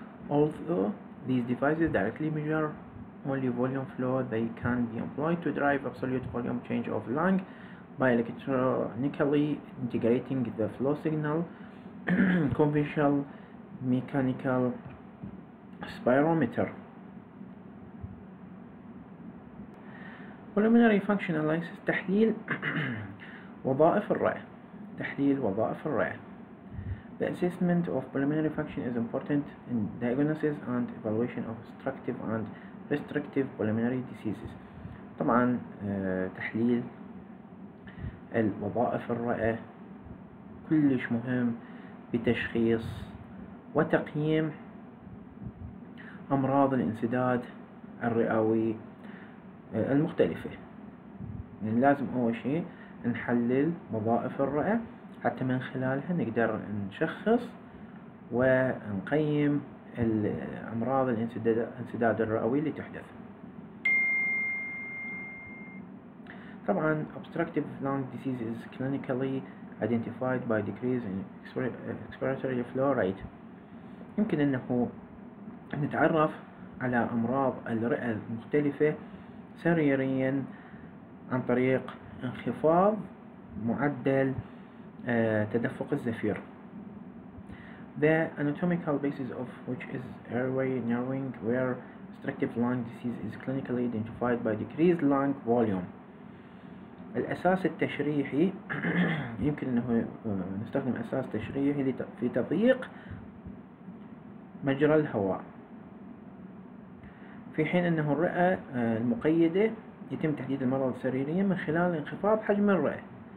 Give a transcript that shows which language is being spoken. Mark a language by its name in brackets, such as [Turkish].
[English] although these devices directly measure only volume flow, they can be employed to drive absolute volume change of lung by electronically integrating the flow signal conventional mechanical spirometer. Pulmonary function analysis [Arabic] تحليل وظائف الرئة. تحليل وظائف الرئة. [English] The assessment of pulmonary function is important in diagnosis and evaluation of obstructive and restrictive pulmonary diseases. [Arabic] طبعا تحليل الوظائف الرئة كلش مهم بتشخيص وتقييم أمراض الانسداد الرئوي المختلفة. يعني لازم أول شيء نحلل وظائف الرئة حتى من خلالها نقدر نشخص ونقيم أمراض الانسداد الرئوي اللي تحدث. [English] طبعا obstructive lung disease is clinically identified by decrease in expiratory flow rate. [Arabic] يمكن انه نتعرف على امراض الرئة المختلفة سريريا عن طريق انخفاض معدل تدفق الزفير. [English] The anatomical basis of which is airway narrowing, where obstructive lung disease is clinically identified by decreased lung volume. [Arabic] الأساس التشريحي يمكن أنه نستخدم أساس تشريحي في تضييق مجرى الهواء، في حين أنه الرئة المقيدة يتم تحديد المرض سريريا من خلال انخفاض حجم الرئة.